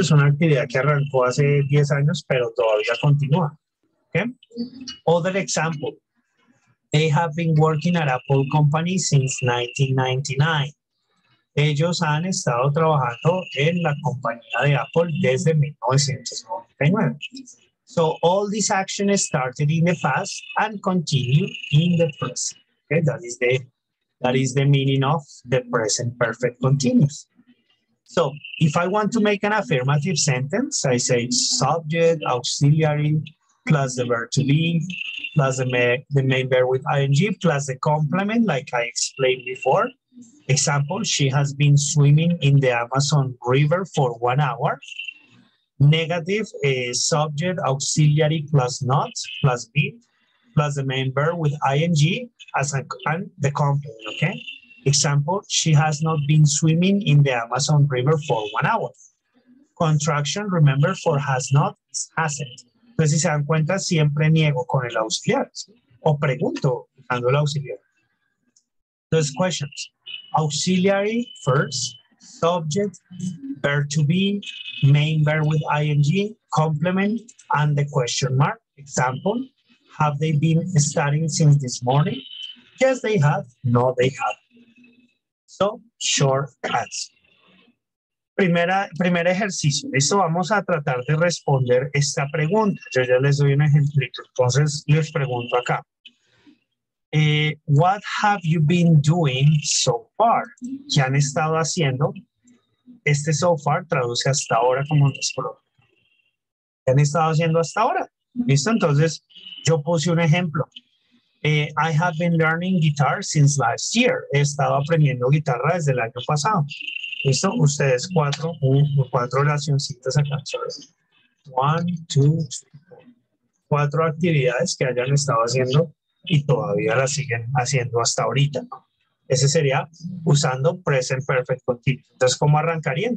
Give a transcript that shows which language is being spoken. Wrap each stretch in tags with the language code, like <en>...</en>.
<es>Es una actividad que arrancó hace 10 años, pero todavía continúa.</es> <en>¿Okay? Other example. They have been working at Apple Company since 1999. Ellos han estado trabajando en la compañía de Apple desde 1999. So all these actions started in the past and continue in the present. Okay, that is the meaning of the present perfect continuous. So if I want to make an affirmative sentence, I say subject, auxiliary, plus the verb to be, plus the main verb with ing, plus the complement, like I explained before. Example, she has been swimming in the Amazon River for 1 hour. Negative, subject, auxiliary, plus not, plus be, plus the main verb with ing, and the complement, okay? Example, she has not been swimming in the Amazon River for 1 hour. Contraction, remember, for has not, is hasn't.</en> <es>Entonces, si se dan cuenta, siempre niego con el auxiliar. O pregunto, dando el auxiliar. Entonces, questions.</es> <en>Auxiliary, first. Subject, verb to be. Main verb with ing. Complement, and the question mark. Example, have they been studying since this morning? Yes, they have. No, they have. So, short answer.</en> <es>Primer ejercicio. Listo, vamos a tratar de responder esta pregunta. Yo ya les doy un ejemplito. Entonces, les pregunto acá.</es> <en>What have you been doing so far?</en> <es>¿Qué han estado haciendo? Este so far traduce hasta ahora como nuestro. ¿Qué han estado haciendo hasta ahora? ¿Listo? Entonces, yo puse un ejemplo.</es> <en>I have been learning guitar since last year.</en> <es>He estado aprendiendo guitarra desde el año pasado. ¿Listo? Ustedes cuatro oracioncitas acá.</es> <en>One, two, three, four.</en> <es>Cuatro actividades que hayan estado haciendo y todavía las siguen haciendo hasta ahorita, ¿no? Ese sería usando present perfect continuous. Entonces, ¿cómo arrancarían?</es>